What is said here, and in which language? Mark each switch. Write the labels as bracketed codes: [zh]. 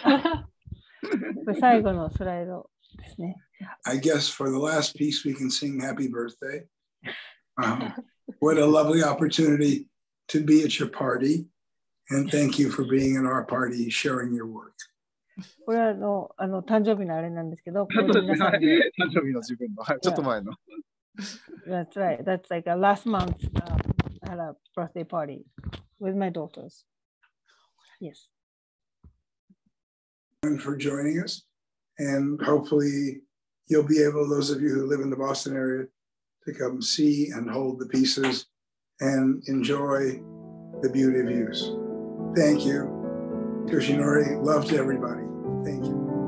[en] I guess for the last piece, we can sing Happy Birthday. What a lovely opportunity to be at your party. And thank you for being in our party, sharing your work. [ja] これはあの誕生日のあれなんですけど、これ皆さんで誕生日の自分の、はい、ちょっと前の。 [en] That's right. That's like a last month. I had a birthday party with my daughters. Yes. And for joining us, and hopefully you'll be able, those of you who live in the Boston area, to come see and hold the pieces and enjoy the beauty of use. Thank you.Yoshinori, love to everybody. Thank you.